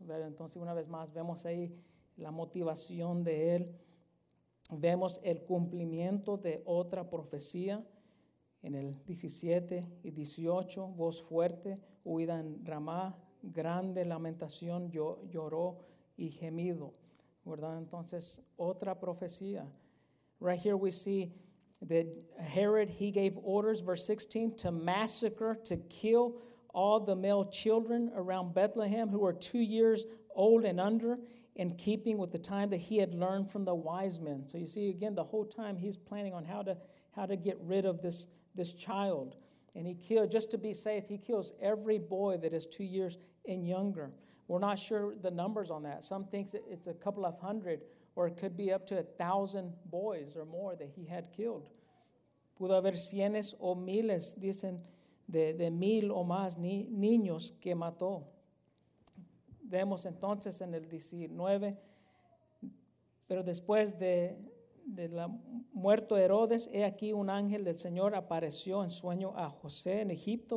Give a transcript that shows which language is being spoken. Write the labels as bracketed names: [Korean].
[Spanish] Entonces, una vez más, vemos ahí la motivación de él. Vemos el cumplimiento de otra profecía en el 17 y 18, voz fuerte, huida en Ramá, grande lamentación, lloró y gemido, ¿verdad? Entonces, otra profecía. [English] Right here we see that Herod, he gave orders, verse 16, to massacre, to kill all the male children around Bethlehem who were 2 years old and under, in keeping with the time that he had learned from the wise men. So you see, again, the whole time he's planning on how to get rid of this child. And he killed, just to be safe, he kills every boy that is 2 years and younger. We're not sure the numbers on that. Some think it's a couple of hundred, or it could be up to 1,000 boys or more that he had killed. [Spanish] Pudo haber cienes o miles, dicen, de mil o más niños que mató. Vemos entonces en el 19, pero después de la muerto Herodes, he aquí un ángel del Señor apareció en sueño a José en Egipto.